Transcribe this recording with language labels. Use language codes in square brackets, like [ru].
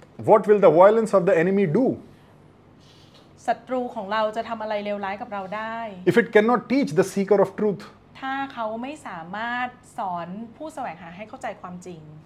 [en] What will the violence of the enemy do [th] ศัตรูของเราจะทำอะไรเลวร้ายกับเราได้ [en] If it cannot teach the seeker of truth [th] ถ้าเขาไม่สามารถสอนผู้แสวงหาให้เข้าใจความจริง